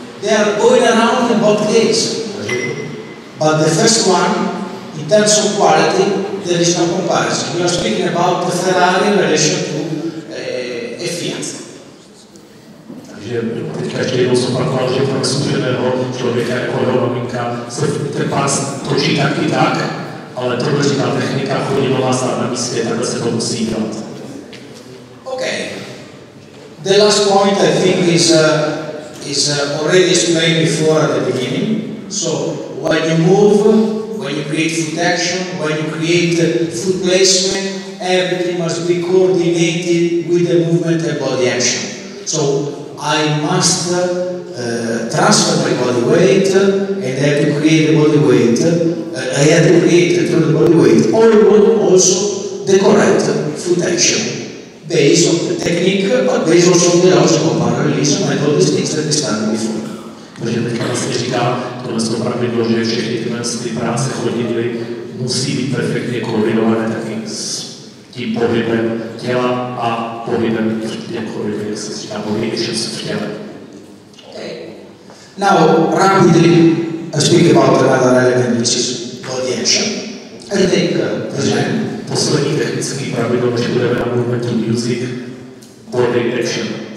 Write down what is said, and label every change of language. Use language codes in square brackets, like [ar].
[en] They are going around in both ways. But the first one, in terms of quality, there is no comparison. We are speaking about the Ferrari in relation to a Fiat. [cs] Takže teď každý jednou jsem opakoval, že pro zkušeného člověka jako jeho maminka se ten pás točí tak i tak, ale to je ta technika chodidlová stát na místě, takhle se to musí dělat. [en] OK. The last point I think is is already explained before at the beginning. So when you move, when you create food action, when you create food placement, everything must be coordinated with the movement and body action. So I must transfer my body weight, and I have to create the body weight. I have to create through the body weight, or also the correct foot action, based on the technique, but based also on the logical parallelism and all these things that we started before. [cs] Takže teďka vlastně říká, tohle jsou pravidlo, že všechny tyhle ty práce chodidly musí být perfektně koordinované taky s tím pohybem těla a pohybem jakkoliv, jak se říká, pohybem v těle. [en] Now, rapidly, I speak about another element, which is body action. I think, [cs] poslední technický pravidlo, než budeme na [en] movement in music, body action.